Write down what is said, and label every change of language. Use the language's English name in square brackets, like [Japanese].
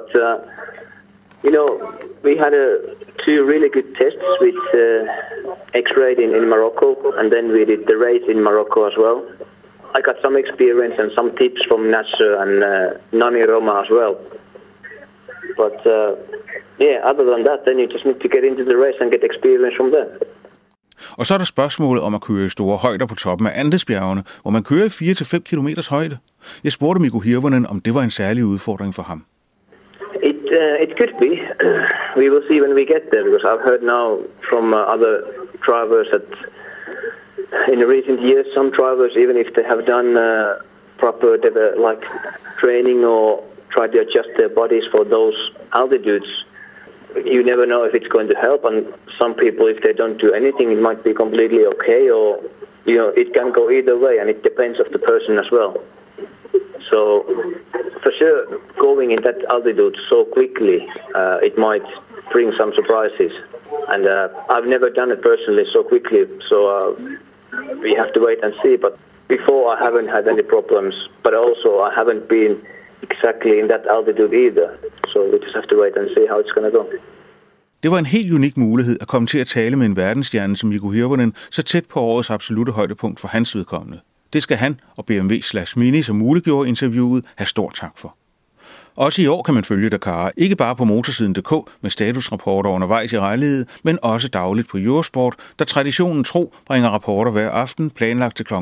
[English] But, you know, we had two really good tests with X-Raid in Morocco, and then we did the race in Morocco as well. I got some experience and some tips from Nasser and Nani Roma as well. But, yeah, other than that, then you just need to get into the race and get experience from there. [Danish] Og så er der spørgsmålet om at køre i store højder på toppen af Andesbjergene, hvor man kører i 4-5 kilometers højde. Jeg spurgte Mikko Hirvonen, om det var en særlig udfordring for ham. [English] It could be. We will see when we get there, because I've heard now from other drivers that in recent years, some drivers, even if they have done proper like training or tried to adjust their bodies for those altitudes, you never know if it's going to help, and some people, if they don't do anything, it might be completely okay, or, you know, it can go either way, and it depends on the person as well. So, for sure, going in that altitude so quickly, it might bring some surprises, and I've never done it personally so quickly, so we have to wait and see. But before, I haven't had any problems, but also, I haven't been exactly in that altitude either. So we just have to wait and see how it's going to go. [Danish] Det var en helt unik mulighed at komme til at tale med en verdensstjerne som Mikko Hirvonen så tæt på årets absolutte højdepunkt for hans vedkommende. Det skal han og BMW/Mini, som muliggjorde interviewet, have stor tak for. Også i år kan man følge Dakar, ikke bare på motorsiden.dk med statusrapporter undervejs i rallyet, men også dagligt på Eurosport, der traditionen tro bringer rapporter hver aften planlagt til kl.